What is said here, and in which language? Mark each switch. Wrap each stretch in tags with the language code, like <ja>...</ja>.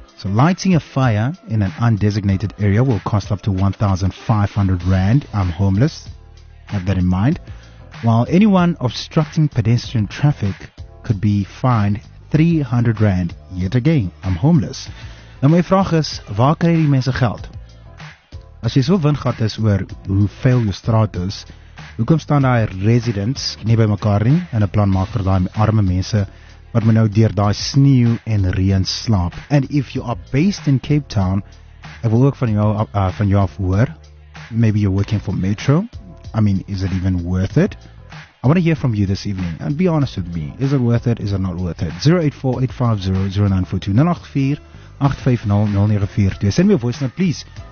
<en>So lighting a fire in an undesignated area will cost up to 1,500 rand. I'm homeless. Have that in mind. While anyone obstructing pedestrian traffic could be fined 300 rand. Yet again, I'm homeless.</en> <af>Nou my vraag is, waar kry die mense geld? As jy so windgat is oor hoe vuil jou straat is, hoekom staan daar residents nie by mekaar nie en 'n plan maak vir daai arme mense wat moet nou deur daai sneeu en reën slaap?</af> <en>And if you are based in Cape Town,</en> <af>ek wil ook van jou af hoor,</af> <en>maybe you're working for Metro. I mean, is it even worth it? I want to hear from you this evening and be honest with me. Is it worth it? Is it not worth it? 084-850-0942 084-850-094. Send me a voice note, please.</en>